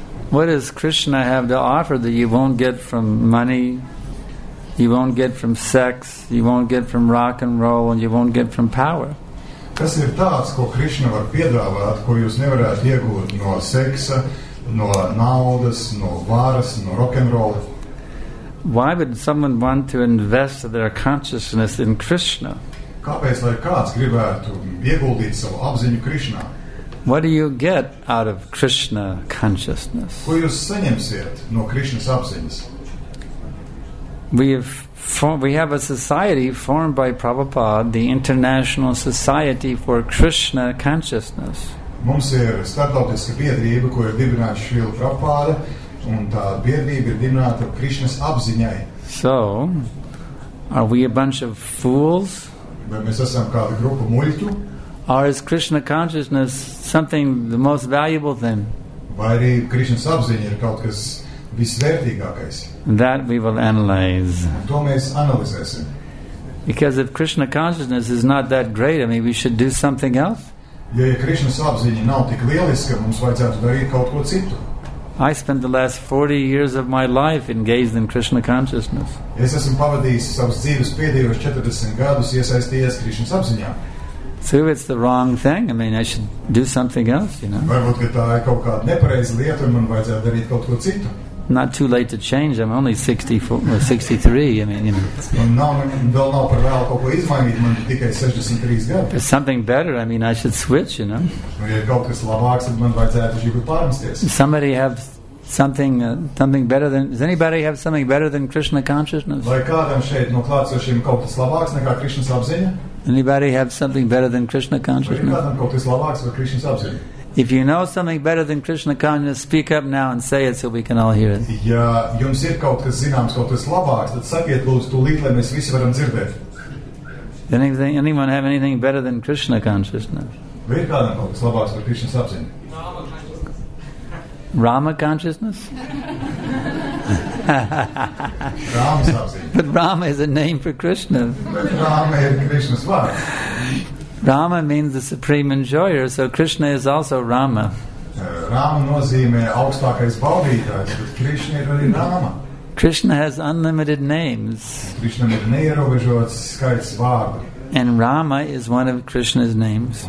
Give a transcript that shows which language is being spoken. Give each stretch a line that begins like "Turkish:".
English: What does Krishna have to offer that you won't get from money, you won't get from sex, you won't get from rock and roll, and you won't get from power?
Latvian: Kas ir tāds, ko Krishna var piedāvāt, ko jūs nevarat iegūt no seksa, no naudas, no varas, no rock and roll?
English: Why would someone want to invest their consciousness in Krishna?
Latvian: Kāpēc lai kāds gribētu ieguldīt savu apziņu Krishnā?
English: What do you get out of Krishna consciousness?
Latvian: Ko jūs saņemsiet no Krishnas apziņas?
English: We have a society formed by Prabhupada, the International Society for Krishna Consciousness.
Latvian: Mums ir starptautiska biedrība, ko ir dibināta Šrila Prabhupāda, un tā biedrība ir dibināta Krishnas apziņai.
English: So, are we a bunch of fools?
Latvian: Vai mēs esam kāda grupa muļķu?
English: Or is Krishna consciousness something the most valuable thing?
Latvian: Vai arī Krishnas apziņa ir kaut kas visvērtīgākais?
English: That we will analyze.
Latvian: To mēs analizēsim.
English: Because if Krishna consciousness is not that great, I mean, we should do something else?
Latvian: Ja Krishnas apziņa nav tik lieliska, mums vajadzētu darīt kaut ko citu.
English: I spent the last 40 years of my life engaged in Krishna consciousness.
Latvian: Es esmu pavadījis savas dzīves pēdējos 40 gadus iesaistījies Krishnas apziņā.
English: So it's the wrong thing. I mean, I should do something else, you know.
Latvian: Varbūt, ka tā ir kaut kāda nepareiza lieta, man vajadzētu darīt kaut ko citu.
English: Not too late to change. I'm only 63, I mean, you know.
Latvian: Vēl nav par vēlu kaut ko izmainīt, man ir tikai 63 gadi.
English: If something better, I mean, I should switch, you know.
Latvian: Ja ir kaut kas labāks, man vajadzētu žīgot pārmesties.
English: Somebody have something better than... Does anybody have something better than Krishna consciousness?
Latvian: Vai kādam šeit no klātsošiem kaut kas labāks nekā Krishnas apziņa?
English: Anybody have something better than Krishna consciousness?
Latvian: Vai kādam kaut kas labāks par Krishnas apziņa?
English: If you know something better than Krishna consciousness, speak up now and say it so we can all hear it.
Latvian: Ja jums ir kaut kas zināms, kaut kas labāks, tad sakiet lūdzu tūlīt, lai mēs visi varam dzirdēt.
English: Anyone have anything better than Krishna consciousness?
Latvian: Vai ir kādam kaut kas labāks par Krishnas apziņu?
English: Rama consciousness?
Latvian: Rama apziņa.
English: But Rama is a name for Krishna. But
Latvian: Rama ir Krishnas vārds.
English: Rama means the supreme enjoyer, so Krishna is also Rama.
Latvian: Rama nozīmē augstākais baudītājs, bet Krishna ir arī Rama.
English: Krishna has unlimited names.
Latvian: Krishna ir neierobežots skaits vārdu.
English: And Rama is one of Krishna's names.